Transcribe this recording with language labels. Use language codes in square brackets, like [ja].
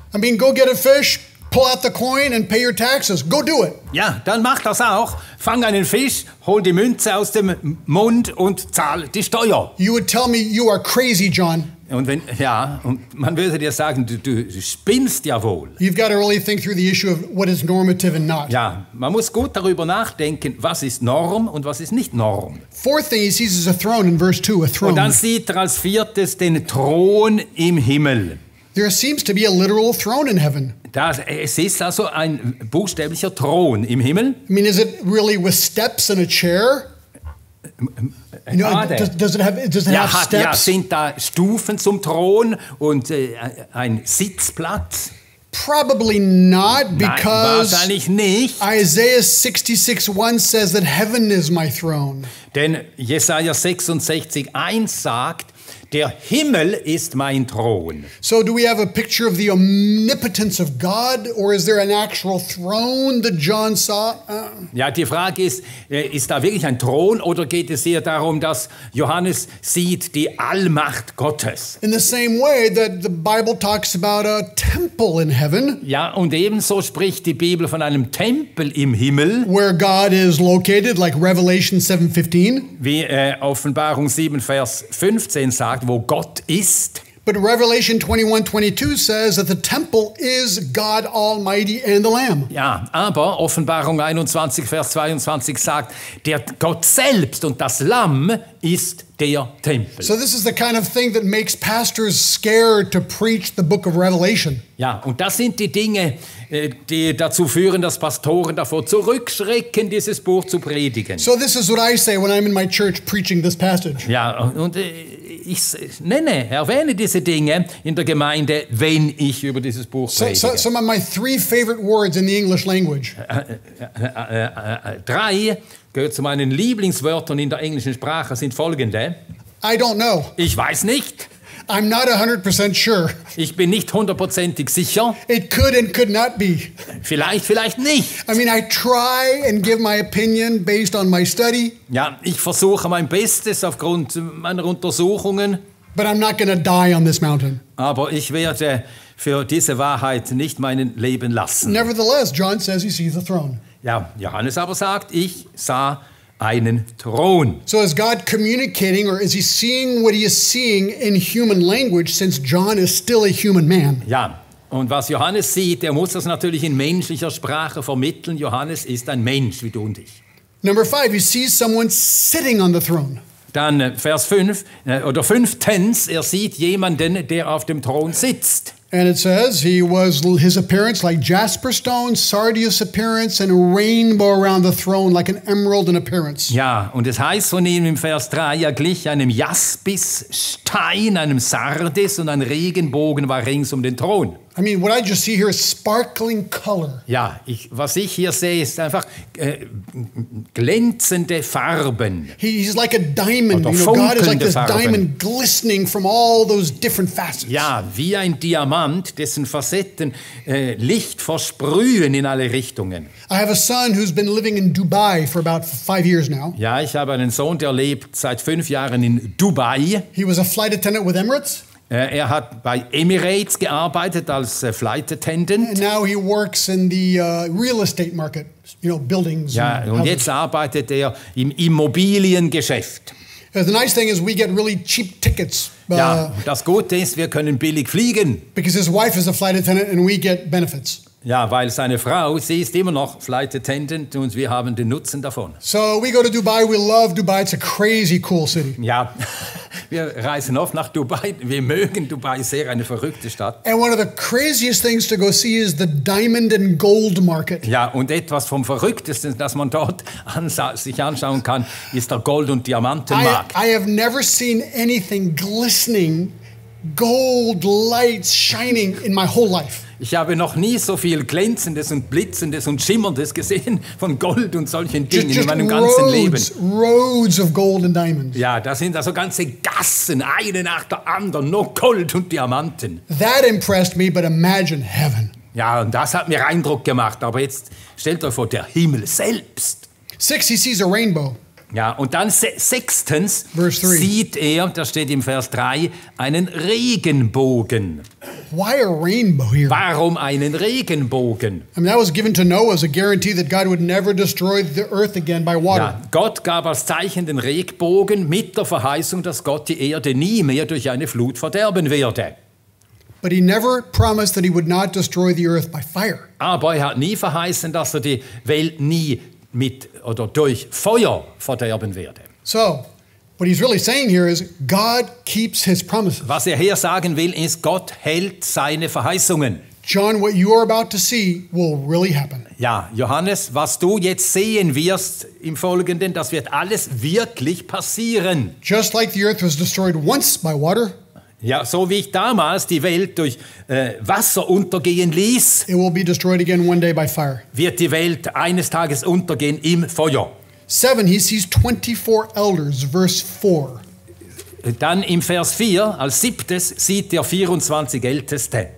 [en] I mean, go get a fish, pull out the coin and pay your taxes. Go do it. [de] Ja, dann mach das auch. Fang einen Fisch, hol die Münze aus dem Mund und zahl die Steuer. [en] You would tell me you are crazy, John. [de] Und wenn, ja, und man würde dir sagen, du spinnst ja wohl. [en] You've got to really think through the issue of what is normative and not. [de] Ja, man muss gut darüber nachdenken, was ist Norm und was ist nicht Norm. [en] Fourth thing he sees is a throne in verse 2, a throne. [de] Und dann sieht er als viertes den Thron im Himmel. [en] There seems to be a literal throne in heaven. [de] Das, es ist also ein buchstäblicher Thron im Himmel. [en] I mean, is it really with steps and a chair? You know, does it have steps? [de] Ja, sind da Stufen zum Thron und ein Sitzplatz? [en] Probably not, because [de] Nein, wahrscheinlich nicht. [en] Isaiah 66:1 says that heaven is my throne. [de] Denn Jesaja 66:1 sagt, der Himmel ist mein Thron. [en] So do we have a picture of the omnipotence of God, or is there an actual throne that John saw? [de] Ja, die Frage ist, ist da wirklich ein Thron oder geht es hier darum, dass Johannes sieht die Allmacht Gottes? [en] In the same way that the Bible talks about a temple in heaven. [de] Ja, und ebenso spricht die Bibel von einem Tempel im Himmel. [en] Where God is located, like Revelation 7:15. [de] Wie Offenbarung 7, Vers 15 sagt. Wo Gott ist. [en] But Revelation 21:22 says that the temple is God Almighty and the Lamb. [de] Ja, aber Offenbarung 21 Vers 22 sagt, der Gott selbst und das Lamm ist der Tempel. [en] So this is the kind of thing that makes pastors scared to preach the book of Revelation. [de] Ja, und das sind die Dinge, die dazu führen, dass Pastoren davor zurückschrecken, dieses Buch zu predigen. [en] So this is what I say when I'm in my church preaching this passage. [de] Ja, und ich nenne, erwähne diese Dinge in der Gemeinde, wenn ich über dieses Buch predige. [en] So, some of my three favorite words in the English language. [de] Drei gehört zu meinen Lieblingswörtern in der englischen Sprache sind folgende. [en] I don't know. [de] Ich weiß nicht. [en] I'm not 100% sure. [de] Ich bin nicht hundertprozentig sicher. [en] It could and could not be. [de] Vielleicht, vielleicht nicht. [en] I mean, I try and give my opinion based on my study. [de] Ja, ich versuche mein Bestes aufgrund meiner Untersuchungen. [en] But I'm not going to die on this mountain. [de] Aber ich werde für diese Wahrheit nicht mein Leben lassen. [en] Nevertheless, John says he sees the throne. [de] Ja, Johannes aber sagt, ich sah einen Thron. [en] So is God communicating, or is he seeing what he is seeing in human language, since John is still a human man? [de] Ja, und was Johannes sieht, der muss das natürlich in menschlicher Sprache vermitteln. Johannes ist ein Mensch wie du und ich. [en] Number five, he sees someone sitting on the throne. [de] Dann Vers 5, oder fünftens, er sieht jemanden, der auf dem Thron sitzt. [en] And it says he was his appearance like jasper stone, sardius appearance, and a rainbow around the throne like an emerald in appearance. [de] Ja, und es heißt von ihm im Vers 3, er glich einem Jaspisstein, einem Sardis, und ein Regenbogen war rings um den Thron. [en] I mean, what I just see here is sparkling color. [de] Ja, was ich hier sehe, ist einfach glänzende Farben. [en] He's like a diamond. [de] Oder funkelnde Farben. [en] God is like this [de] Farben. [en] Diamond glistening from all those different facets. [de] Ja, wie ein Diamant, dessen Facetten Licht versprühen in alle Richtungen. [en] I have a son who's been living in Dubai for about 5 years now. [de] Ja, ich habe einen Sohn, der lebt seit 5 Jahren in Dubai. [en] He was a flight attendant with Emirates. [de] Er hat bei Emirates gearbeitet als Flight Attendant. [en] And now he works in the real estate market, you know, buildings. [de] Ja, und [en] houses. [de] Jetzt arbeitet er im Immobiliengeschäft. [en] The nice thing is we get really cheap tickets. [de] Ja, das Gute ist, wir können billig fliegen. [en] Because his wife is a flight attendant and we get benefits. [de] Ja, weil seine Frau, sie ist immer noch Flight Attendant und wir haben den Nutzen davon. [en] So we go to Dubai, we love Dubai, it's a crazy cool city. [de] Ja, wir reisen oft nach Dubai, wir mögen Dubai sehr, eine verrückte Stadt. [en] And one of the craziest things to go see is the diamond and gold market. [de] Ja, und etwas vom Verrücktesten, das man dort sich anschauen kann, ist der Gold- und Diamantenmarkt. [en] I have never seen anything glistening, gold lights shining in my whole life. [de] Ich habe noch nie so viel Glänzendes und Blitzendes und Schimmerndes gesehen von Gold und solchen Dingen [en] just [de] in meinem ganzen [en] roads, [de] Leben. [en] Roads of gold and diamonds. [de] Ja, da sind also ganze Gassen, eine nach der anderen, nur Gold und Diamanten. [en] That impressed me, but imagine heaven. [de] Ja, und das hat mir Eindruck gemacht. Aber jetzt stellt euch vor, der Himmel selbst. [en] Six, he sees a rainbow. [de] Ja, und dann sechstens sieht er, das steht im Vers 3, einen Regenbogen. [en] Why a rainbow here? [de] Warum einen Regenbogen? [en] I mean, that was given to Noah as a guarantee that God would never destroy the earth again by water. [de] Ja, Gott gab als Zeichen den Regenbogen mit der Verheißung, dass Gott die Erde nie mehr durch eine Flut verderben werde. [en] But he never promised that he would not destroy the earth by fire. [de] Aber er hat nie verheißen, dass er die Welt nie mit oder durch Feuer verderben werde. [en] So, what he's really saying here is God keeps his promises. [de] Was er hier sagen will, ist, Gott hält seine Verheißungen. [en] John, what you are about to see will really happen. [de] Ja, Johannes, was du jetzt sehen wirst im Folgenden, das wird alles wirklich passieren. [en] Just like the earth was destroyed once by water. [de] Ja, so wie ich damals die Welt durch Wasser untergehen ließ, [en] it will be destroyed again one day by fire. [de] Wird die Welt eines Tages untergehen im Feuer. [en] 7, he sees 24 elders, verse 4. [de] Dann im Vers 4, als siebtes, sieht er 24 Älteste.